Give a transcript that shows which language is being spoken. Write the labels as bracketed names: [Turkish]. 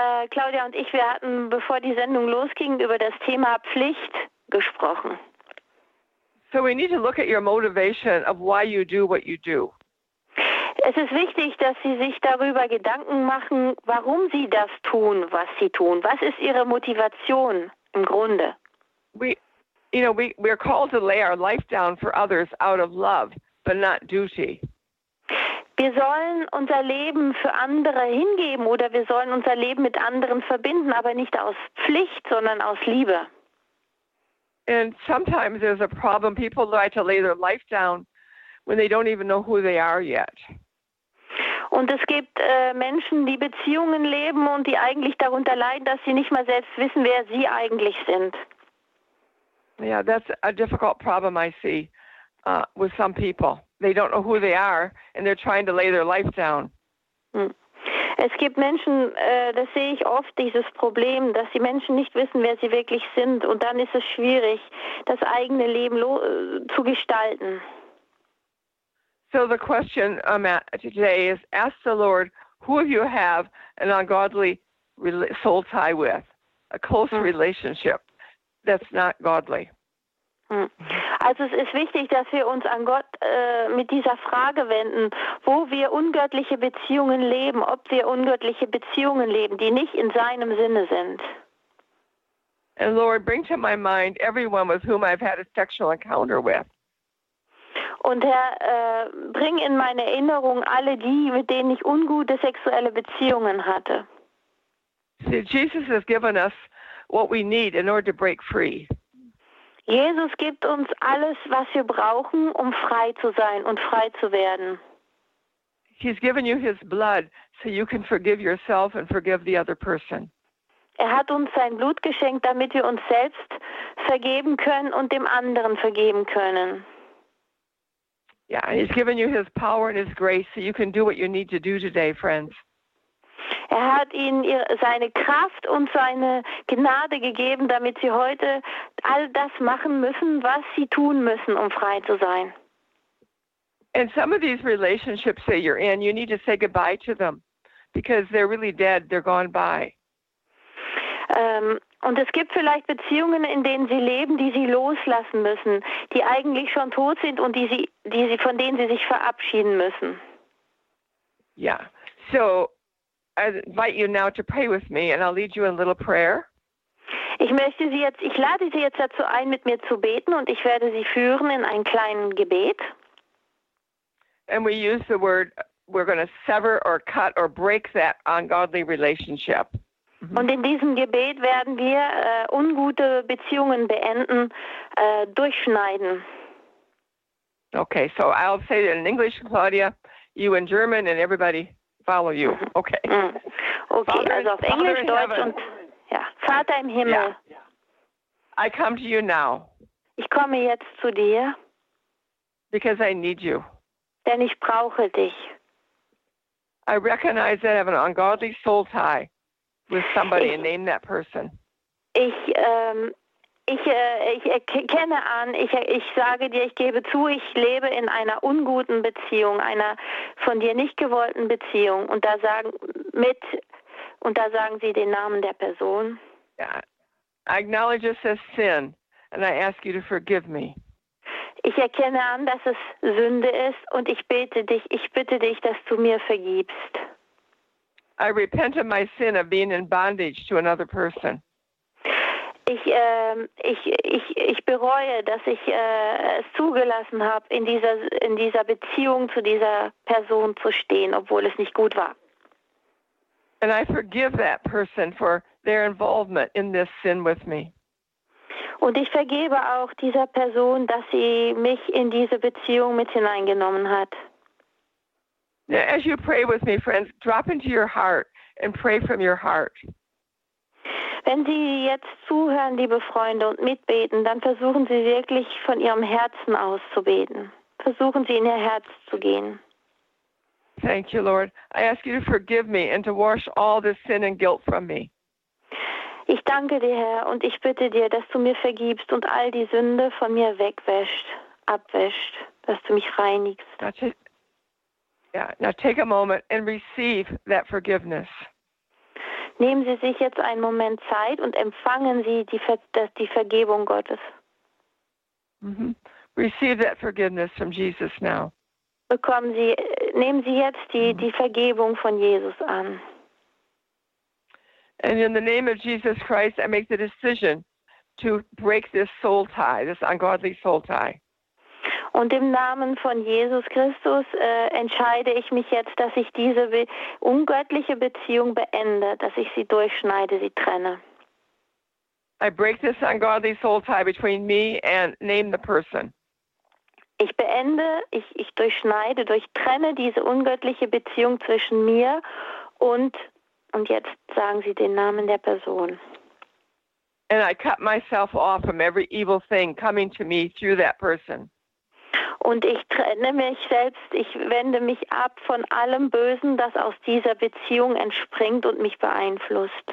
[German] Claudia und ich, wir hatten, bevor die Sendung losging, über das Thema Pflicht gesprochen. [English] So we need to look at your motivation of why you do what you do. [German] Es ist wichtig, dass Sie sich darüber Gedanken machen, warum Sie das tun, was Sie tun. Was ist Ihre Motivation im Grunde? [English] We are called to lay our life down for others out of love, but not duty. [German] Wir sollen unser Leben für andere hingeben oder wir sollen unser Leben mit anderen verbinden, aber nicht aus Pflicht, sondern aus Liebe. [English] And sometimes there's a problem. People try to lay their life down when they don't even know who they are yet. [German] Und es gibt Menschen, die Beziehungen leben und die eigentlich darunter leiden, dass sie nicht mal selbst wissen, wer sie eigentlich sind. [English] Yeah, that's a difficult problem I see with some people. They don't know who they are and they're trying to lay their life down. [German] Es gibt Menschen, das sehe ich oft, dieses Problem, dass die Menschen nicht wissen, wer sie wirklich sind und dann ist es schwierig, das eigene Leben zu gestalten. [English] So the question today is, ask the Lord, who do you have an ungodly soul tie with, a close relationship? That's not godly. [German] Also es ist wichtig, dass wir uns an Gott mit dieser Frage wenden, wo wir ungöttliche Beziehungen leben, ob wir ungöttliche Beziehungen leben, die nicht in seinem Sinne sind. [English] And Lord, bring to my mind everyone with whom I've had a sexual encounter with. [German] Und Herr, bring in meine Erinnerung alle die, mit denen ich ungute sexuelle Beziehungen hatte. [English] See, Jesus has given us what we need in order to break free. [German] Jesus gibt uns alles, was wir brauchen, um frei zu sein und frei zu werden. [English] He's given you his blood so you can forgive yourself and forgive the other person. [German] Er hat uns sein Blut geschenkt, damit wir uns selbst vergeben können und dem anderen vergeben können. [English] Yeah, and he's given you his power and his grace so you can do what you need to do today, friends. [German] Er hat ihnen seine Kraft und seine Gnade gegeben, damit sie heute all das machen müssen, was sie tun müssen, um frei zu sein. [English] And some of these relationships that you're in, you need to say goodbye to them, because they're really dead, they're gone by. [German] Und es gibt vielleicht Beziehungen, in denen sie leben, die sie loslassen müssen, die eigentlich schon tot sind und von denen sie sich verabschieden müssen. [English] Yeah, so I invite you now to pray with me and I'll lead you in a little prayer. [German] Ich lade Sie jetzt dazu ein, mit mir zu beten und ich werde Sie führen in ein kleines Gebet. [English] And we use the word, we're going to sever or cut or break that ungodly relationship. [German] Und in diesem Gebet werden wir ungute Beziehungen beenden, durchschneiden. [English] Okay, so I'll say it in English, Claudia, you in German and everybody follow you. Okay. Okay, Father, [German] also auf Englisch, Deutsch und ja, Vater im Himmel. [English] Yeah. I come to you now. [German] Ich komme jetzt zu dir. [English] Because I need you. [German] Denn ich brauche dich. [English] I recognize that I have an ungodly soul tie with somebody and name that person. [German] Ich gebe zu, ich lebe in einer unguten Beziehung, einer von dir nicht gewollten Beziehung. Und da sagen Sie den Namen der Person. [English] I acknowledge this as sin, and I ask you to forgive me. [German] Ich erkenne an, dass es Sünde ist, und ich bitte dich, dass du mir vergibst. [English] I repent of my sin of being in bondage to another person. [German] Ich bereue, dass ich es zugelassen habe, in dieser Beziehung zu dieser Person zu stehen, obwohl es nicht gut war. [English] And I forgive that person for their involvement in this sin with me. [German] Und ich vergebe auch dieser Person, dass sie mich in diese Beziehung mit hineingenommen hat. [English] Now, as you pray with me, friends, drop into your heart and pray from your heart. [German] Wenn Sie jetzt zuhören, liebe Freunde, und mitbeten, dann versuchen Sie wirklich von Ihrem Herzen aus zu beten. Versuchen Sie, in Ihr Herz zu gehen. [English] Thank you, Lord. I ask you to forgive me and to wash all this sin and guilt from me. [German] Ich danke dir, Herr, und ich bitte dir, dass du mir vergibst und all die Sünde von mir wegwäscht, abwäscht, dass du mich reinigst. [English] Now take a moment and receive that forgiveness. [German] Nehmen Sie sich jetzt einen Moment Zeit und empfangen Sie die Vergebung Gottes. Mm-hmm. [English] Receive that forgiveness from Jesus now. [German] Nehmen Sie jetzt die Vergebung von Jesus an. [English] And in the name of Jesus Christ, I make the decision to break this soul tie, this ungodly soul tie. [German] Und im Namen von Jesus Christus entscheide ich mich jetzt, dass ich diese ungöttliche Beziehung beende, dass ich sie durchschneide, sie trenne. [English] I break this ungodly soul tie between me and name the person. [German] Ich durchtrenne diese ungöttliche Beziehung zwischen mir und jetzt sagen Sie den Namen der Person. [English] And I cut myself off from every evil thing coming to me through that person. [German] Und ich trenne mich selbst, ich wende mich ab von allem Bösen, das aus dieser Beziehung entspringt und mich beeinflusst.